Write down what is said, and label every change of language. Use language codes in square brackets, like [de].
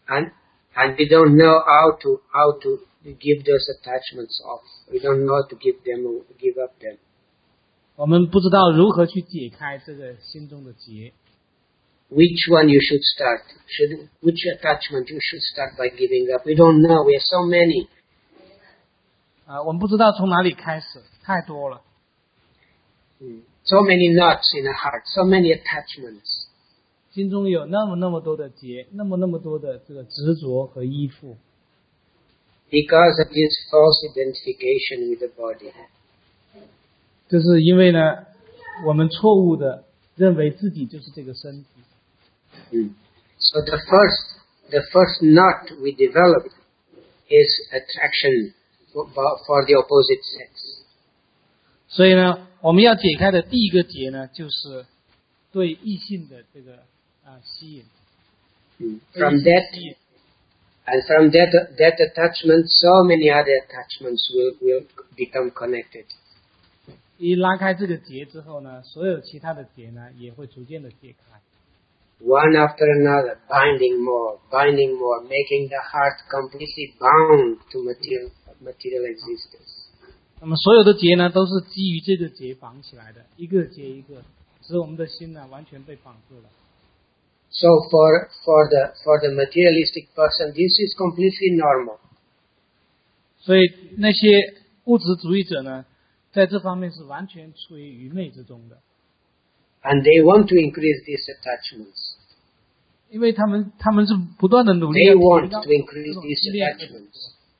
[en] And we don't know how to give those attachments off. We don't know how to give up them. [zh] 我们不知道如何去解开这个心中的结。 [en] Which one you should start? Which attachment you should start by giving up? We don't know. We have so many. [zh] 我们不知道从哪里开始，太多了。 [en] So many knots in the heart, so many attachments. [zh] 心中有那么那么多的结，那么那么多的这个执着和依附。 [en] Because of this false identification with the body. [zh] 就是因为呢，我们错误的认为自己就是这个身体。 [en] So the first knot we develop is attraction. For the opposite sex. [zh] 所以呢，我们要解开的第一个结呢，就是对异性的这个吸引。 [en] From that attachment, so many other attachments will become connected. [zh] 一拉开这个结之后呢，所有其他的结呢也会逐渐的解开。 [en] One after another, binding more, making the heart completely bound to material existence. [zh] 那么所有的结呢，都是基于这个结绑起来的，一个接一个，使我们的心呢完全被绑住了。 [en] So for the materialistic person, this is completely normal. [zh] 所以那些物质主义者呢，在这方面是完全处于愚昧之中的。 [en] And they want to increase these attachments. [zh] 因为他们是不断的努力。 [en] They want to increase these attachments.